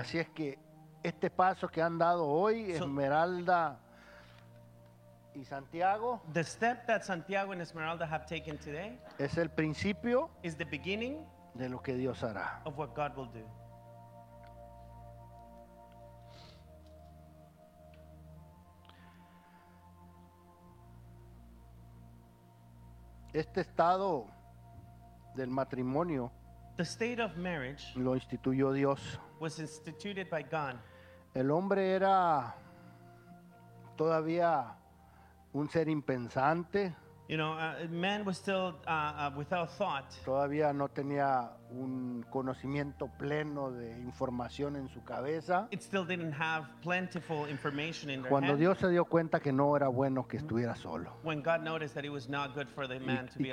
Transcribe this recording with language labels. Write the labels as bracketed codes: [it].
[es] Así es que este paso que han dado hoy, Esmeralda y Santiago, [en] the step that Santiago and Esmeralda have taken today [es] es el principio, [en] is the beginning [es] de lo que Dios hará, [en] of what God will do. [es] Este estado del matrimonio, [en] the state of marriage, [es] lo instituyó Dios, [en] was instituted by God. [es] El hombre era todavía un ser impensante. [en] You know, man was still without thought. [es] Todavía no tenía un conocimiento pleno de información en su cabeza. [en] It still didn't have plentiful information in their head. [es] Cuando Dios se dio cuenta que no era bueno que estuviera solo. [en] When God noticed that it was not good for the man to be alone.